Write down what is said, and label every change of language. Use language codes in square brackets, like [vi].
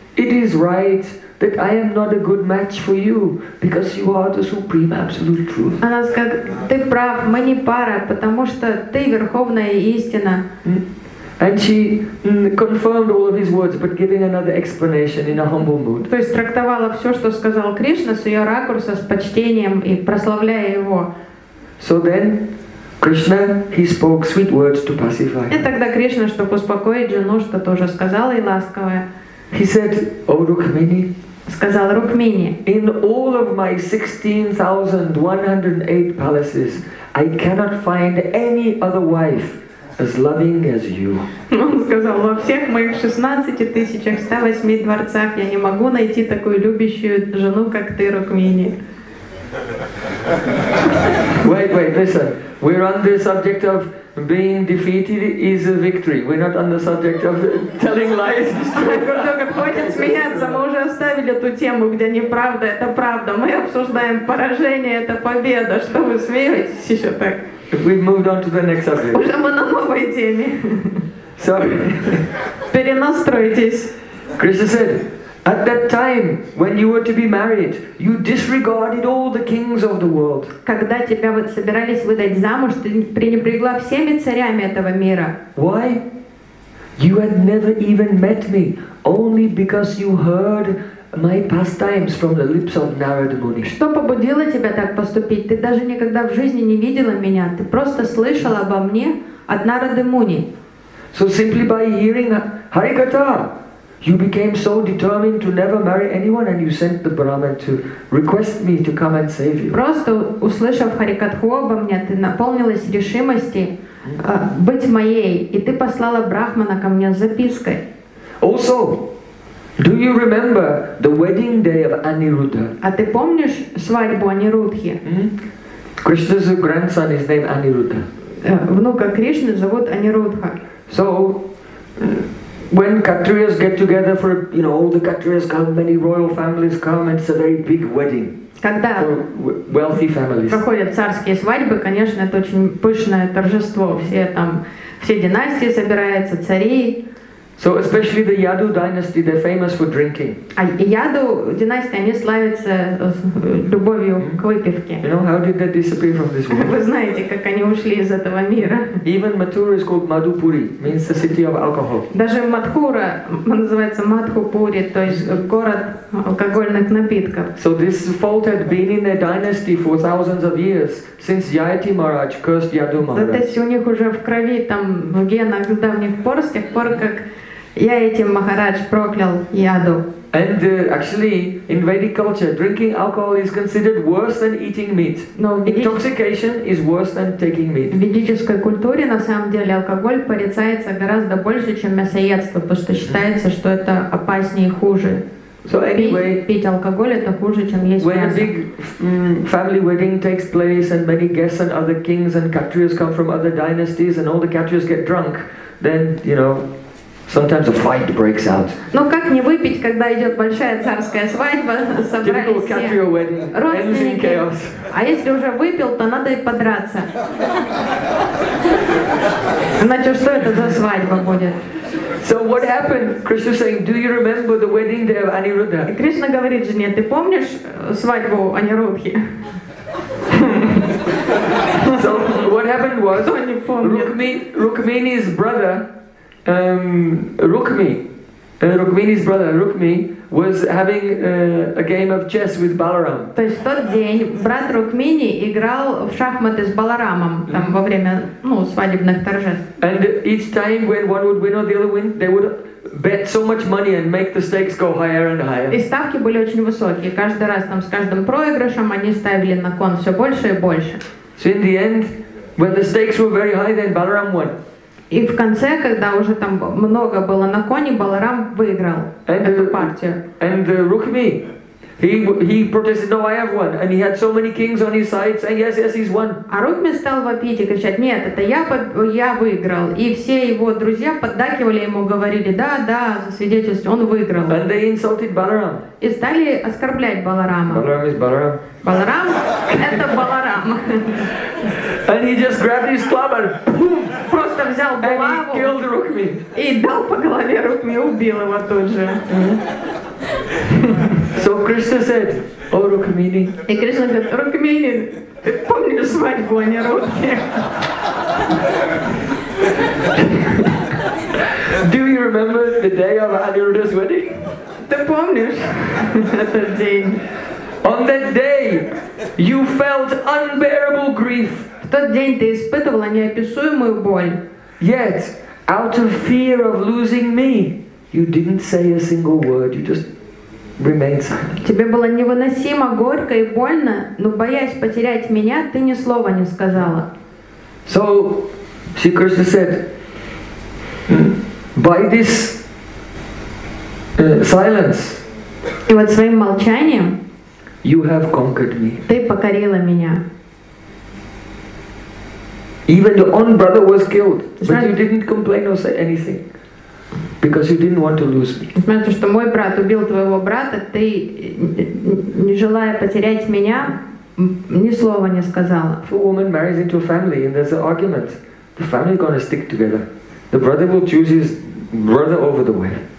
[en] It is right that I am not a good match for you because you are the supreme absolute truth. [ru] Она сказала, ты прав, мы не пара, потому что ты верховная истина. [en] And she confirmed all of his words, but giving another explanation in a humble mood. [ru] То есть трактовала все, что сказал Кришна, с ее ракурса, с почтением и прославляя его. [en] So then Krishna, he spoke sweet words to pacify. [ru] И тогда Кришна, чтобы успокоить жену, что тоже сказала и ласковое. [en] He said, "O Rukmini." [ru] Сказал Рукмини. [en] In all of my 16,108 palaces, I cannot find any other wife as loving as you. [ru] Он сказал, во всех моих 16,108 дворцах я не могу найти такую любящую жену, как ты, Рукмини. [en] Wait, listen. We're on the subject of being defeated is a victory. We're not on the subject of telling lies. [ru] Хватит смеяться. Мы уже оставили эту тему, где неправда это правда. Мы обсуждаем поражение это победа. Что вы смеетесь еще так? [en] We've moved on to the next subject. [ru] Уже мы на новой теме. [en] So, [ru] перенастройтесь. [en] Krishna said, at that time when you were to be married, you disregarded all the kings of the world. [ru] Когда тебя вот собирались выдать замуж, ты пренебрегла всеми царями этого мира. [en] Why? You had never even met me, only because you heard my pastimes from the lips of Narada Muni. [ru] Что побудило тебя так поступить? Ты даже никогда в жизни не видела меня. Ты просто слышала обо мне от Нарады Муни. [en] So simply by hearing Harikatha, you became so determined to never marry anyone, and you sent the Brahman to request me to come and save you. [ru] Просто услышав Харикатху обо мне, ты наполнилась решимости быть моей, и ты послала Брахмана ко мне с запиской. [en] Also, do you remember the wedding day of Aniruddha? [ru] А ты помнишь свадьбу Анирудхи? [en] Krishna's grandson is named Aniruddha. [ru] Внука Кришны зовут Анирудха. [en] So, when Kshatriyas get together for, you know, all the Kshatriyas come, many royal families come, and it's a very big wedding. [ru] Когда [en] wealthy families. [ru] Проходят царские свадьбы, конечно, это очень пышное торжество. Все там, все династии собираются, цари. [en] So especially the Yadu dynasty, they're famous for drinking. [ru] А Яду династия, они славятся любовью к выпивке. [en] You know, how did they disappear from this world? [ru] Вы знаете, как они ушли из этого мира. [en] Even Mathura is called Madhupuri, means the city of alcohol. [ru] Даже Мадхура называется Мадхупури, то есть город алкогольных напитков. [en] So this fault had been in their dynasty for thousands of years since Yayati Maharaj cursed Yadu Maharaj. [ru] То есть у них уже в крови, там в генах с давних пор, с тех пор как я этим Махарадж проклял яду. [en] And actually, in Vedic culture, drinking alcohol is considered worse than eating meat. No, intoxication is worse than taking meat. [ru] В ведической культуре на самом деле алкоголь порицается гораздо больше, чем мясоедство, потому что считается, что это опаснее и хуже. [en] So anyway, [ru] пить алкоголь это хуже, чем есть [en] when [ru] мясо. [en] When a big family wedding takes place and many guests and other kings and Kshatriyas come from other dynasties and all the Kshatriyas get drunk, then you know. Sometimes a fight breaks out. [ru] Но как не выпить, когда идет большая царская свадьба, собрались все родственники. А если уже выпил, то надо и подраться. Значит, что это за свадьба будет? [en] So what happened? Krishna saying, do you remember the wedding day of Aniruddha? [ru] Кришна говорит жене, ты помнишь свадьбу Анирудхи? [en] So what happened was, Rukmini's brother, Rukmi, Rukmini's brother Rukmi was having a game of chess with Balaram. [ru] То есть в тот день брат Рукмини играл в шахматы с Баларамом там во время свадебных торжеств. [en] And each time when one would win or the other win, they would bet so much money and make the stakes go higher and higher. [ru] И ставки были очень высокие. Каждый раз там с каждым проигрышем они ставили на кон все больше и больше. [en] So in the end, when the stakes were very high, then Balaram won. [ru] И в конце, когда уже там много было на коне, Баларам выиграл эту партию. [en] And Rukmi, he protested, no, I have won. And he had so many kings on his side, saying, yes, he's won. [ru] А Рукми стал вопить и кричать, нет, это я выиграл. И все его друзья поддакивали ему, говорили, да, за свидетельство, он выиграл. [en] And they insulted Balaram. [ru] И стали оскорблять Баларама. [en] Баларам is Баларам. [ru] Баларам — это Баларам. [en] And he just grabbed his club and boom! [ru] Просто взял булаву. [en] And he killed Rukmi. [ru] И дал по голове Рукми, убил его тут же. [en] So Krishna said, "О, Рукмини." [ru] И Кришна говорит, Рукмини, ты помнишь свадьбу, а не Рукми? [en] Do you remember the day of Anuruddha's wedding? [ru] Ты помнишь этот день? [en] On that day, you felt unbearable grief. [ru] В тот день ты испытывала неописуемую боль. [en] Yet, out of fear of losing me, you didn't say a single word. You just remained silent. [ru] Тебе было невыносимо горько и больно, но боясь потерять меня, ты ни слова не сказала. [en] So, Sri Krishna said, by this silence. [ru] И вот своим молчанием. [en] You have conquered me. [ru] Ты покорила меня. [en] Even your own brother was killed, but you didn't complain or say anything, because you didn't want to lose me. [ru] Несмотря на что мой брат убил твоего брата, ты, не желая потерять меня, ни слова не сказала. [en] If a woman marries into a family and there's an argument, the family gonna stick together. The brother will choose his brother over the wife.